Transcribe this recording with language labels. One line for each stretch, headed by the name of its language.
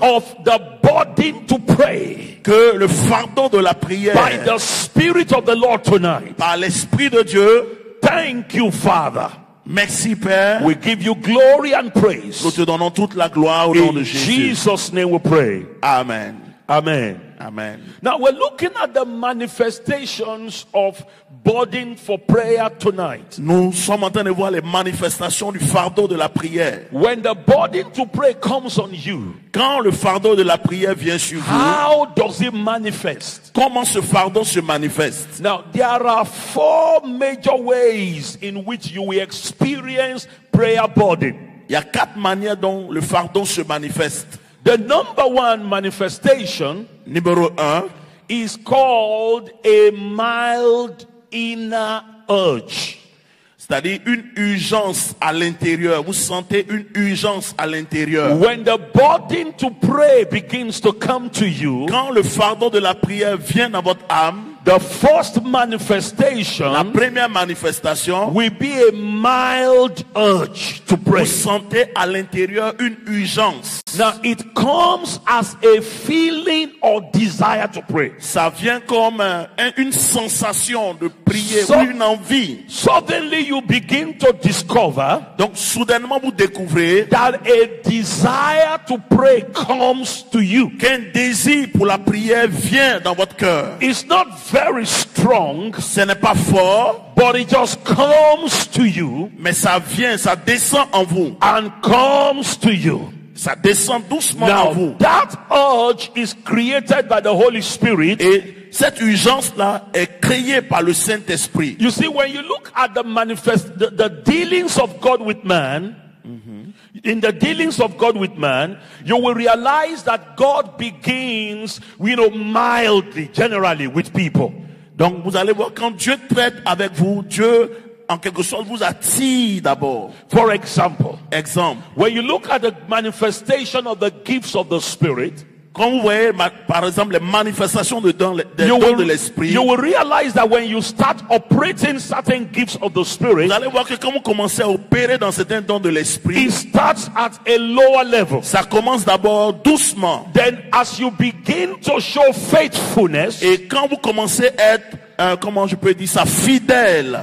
English: of the body to pray.
French: Que le fardeau de la prière.
English: By the Spirit of the Lord tonight.
French: Par l'Esprit de Dieu.
English: Thank you, Father.
French: Merci, Père.
English: We give you glory and praise.
French: Nous te donnons toute la gloire au nom de Jésus.
English: In Jesus' name we pray. Amen. Amen. Amen. Now we're looking at the manifestations of burden for prayer tonight.
French: Nous sommes en train de voir les manifestations du fardeau de la prière.
English: When the burden to pray comes on you,
French: quand le fardeau de la prière vient sur vous,
English: how does it manifest?
French: Comment ce fardeau se manifeste?
English: Now there are four major ways in which you will experience prayer burden.
French: Il y a quatre manières dont le fardeau se manifeste.
English: The number one manifestation,
French: numéro un,
English: is called a mild inner urge.
French: C'est-à-dire une urgence à l'intérieur. Vous sentez une urgence à l'intérieur.
English: When the burden to pray begins to come to you,
French: quand le fardeau de la prière vient dans votre âme,
English: the first manifestation,
French: la première manifestation,
English: will be a mild urge to pray.
French: Vous sentez à l'intérieur une urgence.
English: Now it comes as a feeling or desire to pray.
French: Ça vient comme une sensation de prier, une envie.
English: Suddenly you begin to discover.
French: Donc soudainement vous découvrez
English: that a desire to pray comes to you.
French: Qu'un désir pour la prière vient dans votre cœur.
English: It's not very strong.
French: Ce n'est pas fort.
English: But it just comes to you.
French: Mais ça vient, ça descend en vous.
English: And comes to you.
French: Ça descend doucement
English: now,
French: en vous.
English: That urge is created by the Holy Spirit.
French: Et cette urgence là est créée par le Saint-Esprit.
English: You see, when you look at the dealings of God with man, in the dealings of God with man, you will realize that God begins, you know, mildly, generally, with people.
French: Donc, vous allez voir, quand Dieu traite avec vous, Dieu, en quelque sorte, vous attire d'abord.
English: For example.
French: Exemple.
English: When you look at the manifestation of the gifts of the Spirit,
French: Quand vous voyez, par exemple, les manifestations de dons de l'esprit,
English: you will realize that when you start operating certain gifts of the spirit,
French: vous allez voir que quand vous commencez à opérer dans certains dons de l'esprit,
English: it starts at a lower level.
French: Ça commence d'abord doucement.
English: Then, as you begin to show faithfulness,
French: et quand vous commencez à être comment je peux dire ça, fidèle,